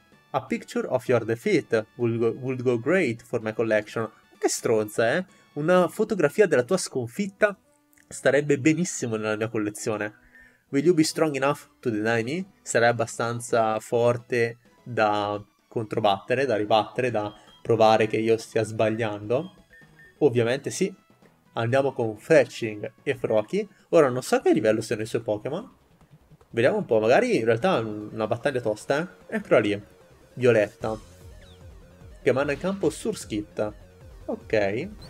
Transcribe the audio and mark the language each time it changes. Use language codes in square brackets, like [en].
[en] A picture of your defeat would go great for my collection. [it] Che stronza, eh? Una fotografia della tua sconfitta starebbe benissimo nella mia collezione. [en] Will you be strong enough to deny me? [it] Sarai abbastanza forte da controbattere, da ribattere, da provare che io stia sbagliando? Ovviamente sì. Andiamo con Fletchling e Froakie. Ora non so a che livello siano i suoi Pokémon. Vediamo un po', magari in realtà è una battaglia tosta, eh? Eccola lì, Violetta, che manda in campo Surskit. Ok,